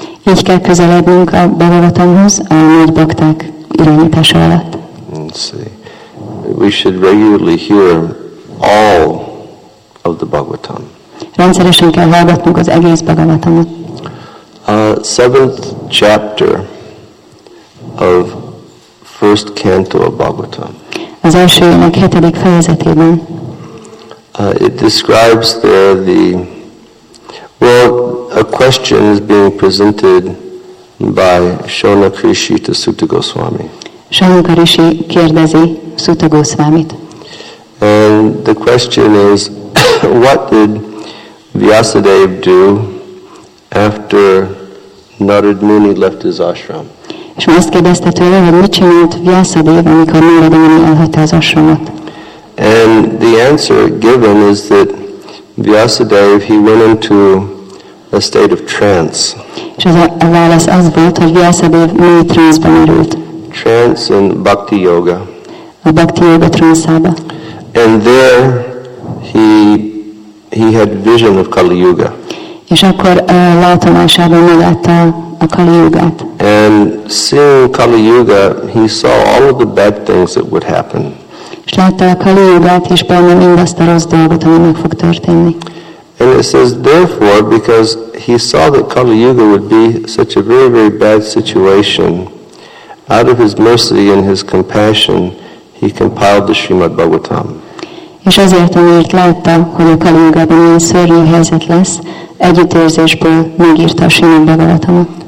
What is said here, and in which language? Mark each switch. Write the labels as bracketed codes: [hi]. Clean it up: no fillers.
[hu] Így kell közelednünk a Bhagavatamhoz, a nagy bakták irányítása alatt. [en] Let's see. We should regularly hear all of the Bhagavatam. [hu] Rendszeresen kell hallgatnunk az egész Bhagavatamot. [en] A 7th chapter of first canto of Bhagavatam. [hu] Az első ének hetedik fejezetében. [en] It describes there the well, a question is being presented by Shonakrishi to Suta Goswami. [hu] Shonakrishi kérdezi Suta Goswamit. [en] And the question is, what did Vyasadev do after Narad Muni left his ashram? [hu] És azt kérdezte tőle, hogy mit csinált Vyasadev, amikor Narad Muni elhagyta az ashramot. [en] And the answer given is that Vyasadev, he went into a state of trance. [hu] És az a válasz az volt, hogy Vyasadev mély transzban ürült. [en] Trance in Bhakti Yoga. [hu] A Bhakti Yoga transzába. [en] And there he had vision of Kali Yuga. [hu] És akkor látomásában meglátta a Kali Yugát. [en] And seeing Kali Yuga, he saw all of the bad things that would happen. [hu] És látta a Kali Yugát, és benne mindazt a rossz dolgot, ami meg fog történni. [en] And it says, therefore, because he saw that Kali Yuga would be such a very, very bad situation, out of his mercy and his compassion, he compiled the Srimad Bhagavatam. [hu] És azért, amiért látta, hogy a Kali Yugában ilyen szörnyű helyzet lesz, együttérzésből megírta a Srimad Bhagavatamot.